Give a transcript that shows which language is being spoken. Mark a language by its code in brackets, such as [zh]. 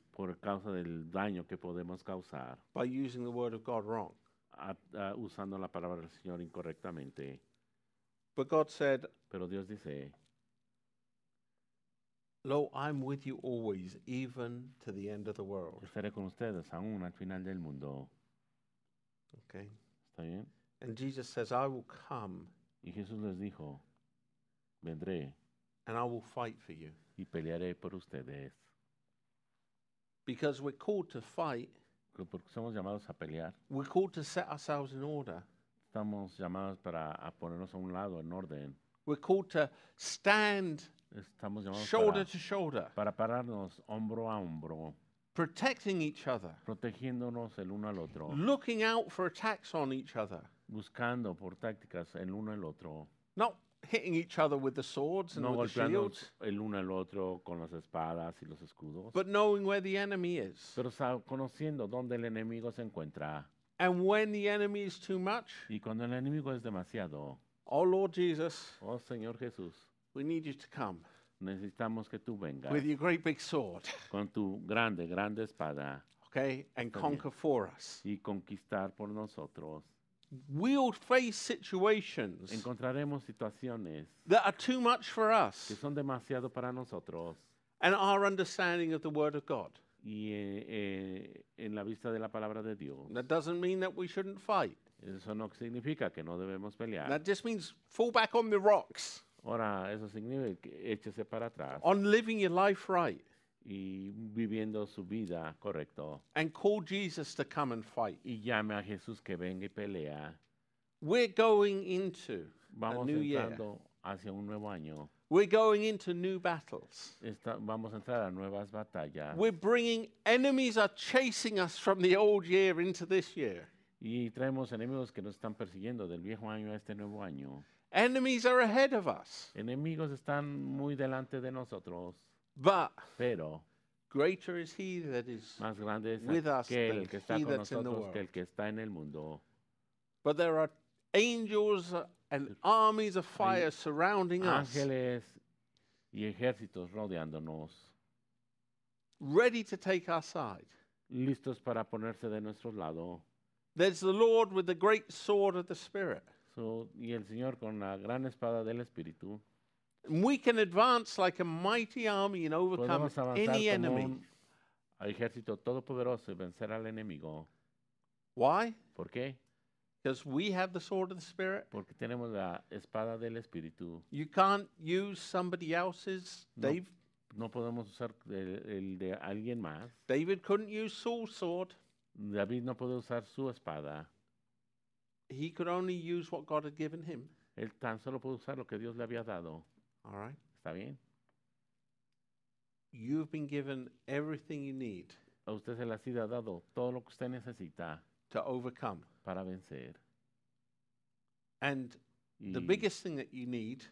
[es] Por causa del daño que podemos causar. [en] By using the word of God wrong. [es] Usando la palabra del Señor incorrectamente. [en] But God said, [es] pero Dios dice, [en] lo, I'm with you always, even to the end of the world. [es] Estaré con ustedes aún al final del mundo. [en] Okay. [es] ¿Está bien? [en] And Jesus says, I will come. [es] Y Jesús les dijo, vendré. [en] And I will fight for you. [es] Y pelearé por ustedes. [en] Because we're called to fight. [es] Porque somos llamados a pelear. [en] We're called to set ourselves in order. [es] Estamos llamados para a ponernos a un lado en orden. [en] We're called to stand. [es] Estamos llamados [en] shoulder [es] para, [en] to shoulder. [es] Para pararnos hombro a hombro. [en] Protecting each other. [es] Protegiéndonos el uno al otro. [en] Looking out for attacks on each other. [es] Buscando por tácticas el uno al otro. [en] Not hitting each other with the swords and [es] no [en] with the shields. [es] El uno al otro con las espadas y los escudos. [en] But knowing where the enemy is. [es] Pero conociendo dónde el enemigo se encuentra. [en] And when the enemy is too much. [es] Y cuando el enemigo es demasiado. [en] Oh Lord Jesus. [es] Oh Señor Jesús. [en] We need you to come. [es] Necesitamos que tú vengas. [en] With your great big sword. [es] Con tu grande, grande espada. [en] Okay, and conquer for us. [es] Y conquistar por nosotros. [en] We'll face situations. [es] Encontraremos situaciones. [en] That are too much for us. [es] Que son demasiado para nosotros. [en] And our understanding of the word of God. [es] Y en la vista de la palabra de Dios. [en] That doesn't mean that we shouldn't fight. [es] Eso no significa que no debemos pelear. [en] That just means fall back on the rocks. [es] Ahora, eso significa que échese para atrás. [en] On living your life right. [es] Y viviendo su vida correcto. [en] And call Jesus to come and fight. [es] Y llame a Jesús que venga y pelea. [en] We're going into [es] vamos [en] a new year. [es] Vamos entrando hacia un nuevo año. [en] We're going into new battles. [es] Vamos a entrar a nuevas batallas. [en] We're bringing enemies are chasing us from the old year into this year. [es] Y traemos enemigos que nos están persiguiendo del viejo año a este nuevo año. [en] Enemies are ahead of us. [es] Enemigos están muy delante de nosotros. [en] But [es] pero [en] greater is he that is [es] más grande es [en] with us [es] que el que está [en] he [es] con [en] that's [es] nosotros [en] in the world. [es] Que el que está en el mundo. [en] But there are angels and armies of fire surrounding us. [es] Ángeles y ejércitos rodeándonos. [en] Ready to take our side. [es] Listos para ponerse de nuestro lado. [en] There's the Lord with the great sword of the Spirit. [es] Y el Señor con la gran espada del Espíritu. [en] We can advance like a mighty army and overcome any enemy. [es] Al ejército todopoderoso y vencer al enemigo. [en] Why? [es] ¿Por qué? [en] Because we have the sword of the Spirit. [es] Porque tenemos la espada del Espíritu. [en] You can't use somebody else's. [es] No podemos usar el de alguien más. [en] David couldn't use Saul's sword. [es] David no puede usar su espada. [en] He could only use what God had given him. [es] Él tan solo puede usar lo que Dios le había dado. [en] All right. [es] ¿Está bien? [en] You've been given everything you need. [es] A usted se le ha dado todo lo que usted necesita. [en] To overcome. [es] Para vencer. [en] And the biggest thing that you need.